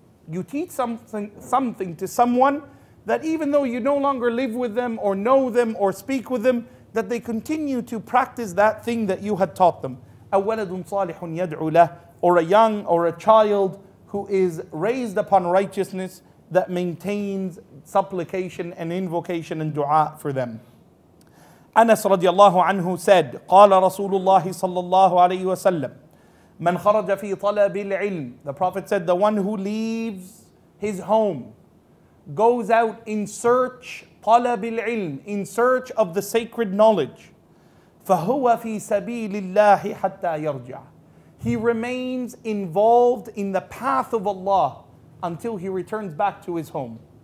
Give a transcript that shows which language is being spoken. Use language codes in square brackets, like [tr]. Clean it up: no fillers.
[en] You teach something to someone that even though you no longer live with them or know them or speak with them, that they continue to practice that thing that you had taught them. [ar] Aw waladun salihun yad'u lah, [en] or a young or a child who is raised upon righteousness that maintains supplication and invocation and dua for them. Anas radiallahu anhu said, [ar] قَالَ رَسُولُ اللَّهِ صَلَّى اللَّهُ عَلَيْهِ وَسَلَّمْ مَنْ خَرَجَ فِي طَلَبِ الْعِلْمِ. [en] The Prophet said, the one who leaves his home, goes out in search, [ar] طَلَبِ الْعِلْمِ, [en] in search of the sacred knowledge. [ar] فَهُوَ فِي سَبِيلِ اللَّهِ حَتَّى يَرْجَعَ. [en] He remains involved in the path of Allah until he returns back to his home.